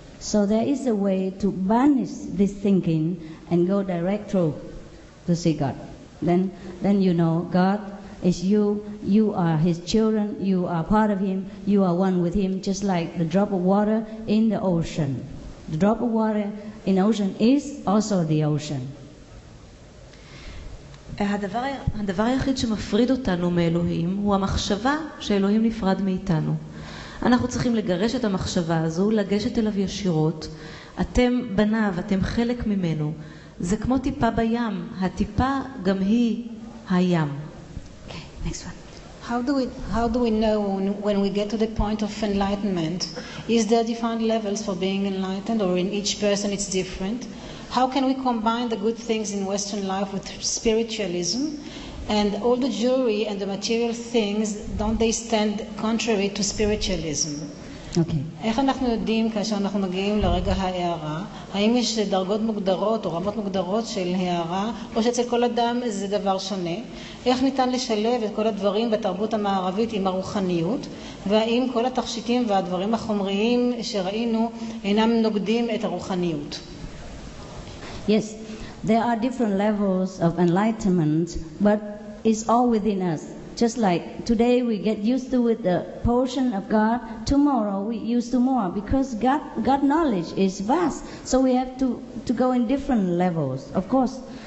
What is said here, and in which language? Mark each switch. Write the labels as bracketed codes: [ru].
[en] So there is a way to banish this thinking and go direct through to see God. Then you know God is you, you are His children, you are part of Him, you are one with Him, just like the drop of water in the ocean. The drop of water in the ocean is also the ocean. [he] הדבר היחיד שמפריד אותנו מאלוהים הוא המחשבה שאלוהים נפרד מאיתנו. אנחנו צריכים לגרש את המחשבה הזו, לגשת אליו ישירות. אתם בניו, אתם חלק ממנו. זה כמו טיפה בים, הטיפה גם היא הים. [en] Next one. How do we know when we get to the point of enlightenment? Is there defined levels for being enlightened, or in each person it's different? How can we combine the good things in Western life with spiritualism? And all the jewelry and the material things, don't they stand contrary to spiritualism? Okay. [he] איך אנחנו יודעים כאשר אנחנו מגיעים לרגע ההערה, האם יש דרגות מוגדרות או רמות מוגדרות של הערה, או שאצל כל אדם זה דבר שונה? איך ניתן לשלב את כל הדברים בתרבות המערבית עם הרוחניות, והאם כל התכשיטים והדברים החומריים שראינו אינם נוגדים את הרוחניות? [en] Yes, there are different levels of enlightenment, but it's all within us. Just like today we get used to with the portion of God, tomorrow we used to more, because God knowledge is vast, so we have to go in different levels, of course.